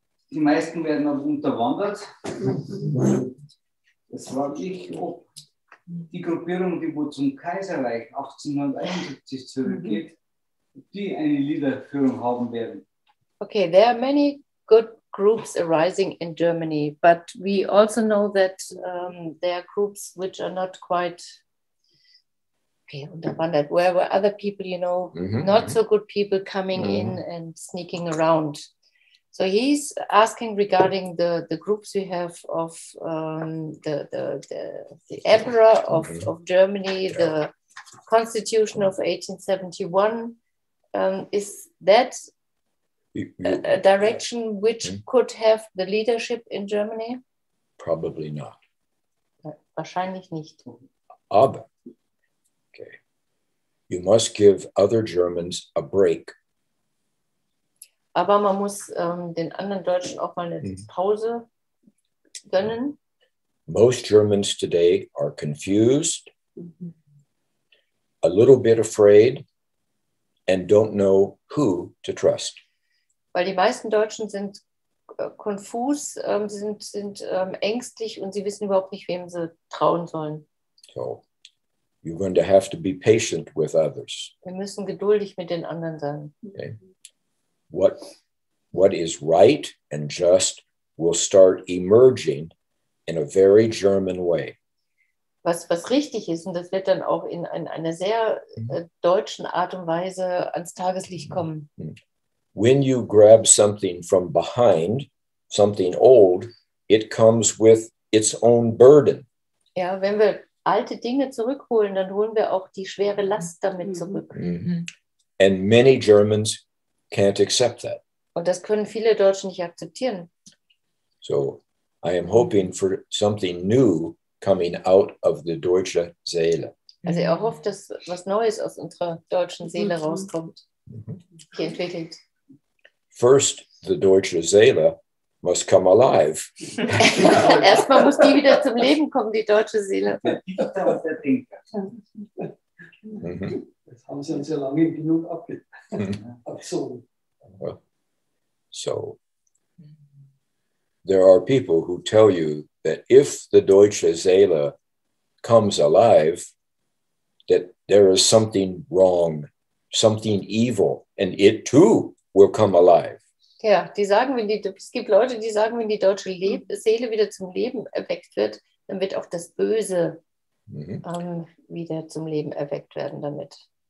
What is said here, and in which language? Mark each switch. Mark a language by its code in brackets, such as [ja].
[de] Die meisten werden aber unterwandert. Das war ich, ob die Gruppierung, die wo zum Kaiserreich 1871 zurückgeht, die eine Liederführung haben werden. [en] Okay, there are many good groups arising in Germany, but we also know that there are groups which are not quite okay, unterwandert, where other people, you know, mm-hmm. not so good people coming mm-hmm. in and sneaking around. So he's asking regarding the groups we have of the emperor of Germany, yeah. the constitution of 1871. Is that a direction which mm-hmm. could have the leadership in Germany? Probably not. [de] Wahrscheinlich nicht. [en] Aber, okay, you must give other Germans a break. [de] Aber man muss den anderen Deutschen auch mal eine Pause gönnen. [en] Most Germans today are confused, a little bit afraid, and don't know who to trust. [de] Weil die meisten Deutschen sind konfus, sind ängstlich und sie wissen überhaupt nicht, wem sie trauen sollen. [en] So, you're going to have to be patient with others. [de] Wir müssen geduldig mit den anderen sein. [en] Okay. What is right and just will start emerging in a very German way. [de] Was richtig ist, und das wird dann auch in einer sehr deutschen Art und Weise ans Tageslicht kommen. [en] When you grab something from behind, something old, it comes with its own burden. [de] Ja, wenn wir alte Dinge zurückholen, dann holen wir auch die schwere Last damit zurück. Mm-hmm. [en] And many Germans can't accept that. [de] Und das können viele Deutsche nicht akzeptieren. [en] So, I am hoping for something new coming out of the deutsche Seele. [de] Also er hofft, dass was Neues aus unserer deutschen Seele rauskommt, die entwickelt. [en] First, the deutsche Seele must come alive. [de] Erstmal muss die wieder zum Leben kommen, die deutsche Seele. Das haben sie uns ja lange genug abgezogen. [en] So, there are people who tell you that if the deutsche Seele comes alive, that there is something wrong, something evil, and it too will come alive. [de] Ja, die sagen, wenn die, es gibt Leute, die sagen, wenn die deutsche Seele wieder zum Leben erweckt wird, dann wird auch das Böse wieder zum Leben erweckt werden damit.